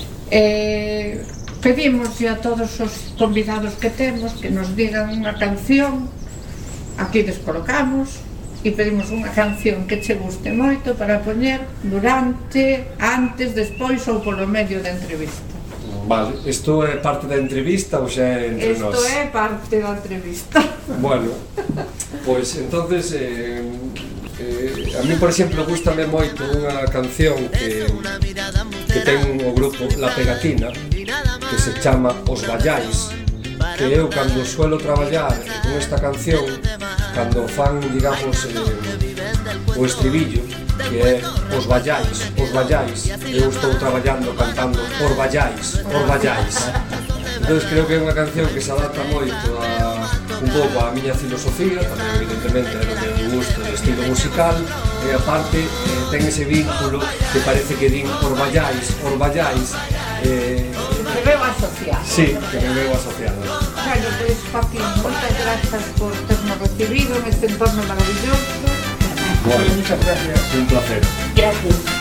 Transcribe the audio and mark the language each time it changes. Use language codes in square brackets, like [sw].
[gl] Pedimos a todos os convidados que temos que nos digan unha canción, aquí descolocamos e pedimos unha canción que che guste moito para poñer durante, antes, despois ou polo medio da entrevista. Vale, isto é parte da entrevista ou xa é entre nós? Isto é parte da entrevista. Bueno, pois [es] entonces a mí, [gl] por exemplo, gustame moito unha canción que ten o grupo La Pegatina, que se chama Os Vallais, que eu cando suelo traballar con esta canción, cando fan, digamos, o estribillo, que é os vallais, eu estou traballando cantando os vallais. Entón, creo que é unha canción que se adapta moito a un pouco a miña filosofía, tamén evidentemente é o meu gusto de estilo musical, e aparte ten ese vínculo que parece que din os vallais, [es] que veo asociado. Sí, que me veo asociado. [gl] Pois ensayo de espacio. [es] Muchas gracias por habernos recibido en este entorno maravilloso. Bueno, sí, muchas gracias. Un placer. Gracias.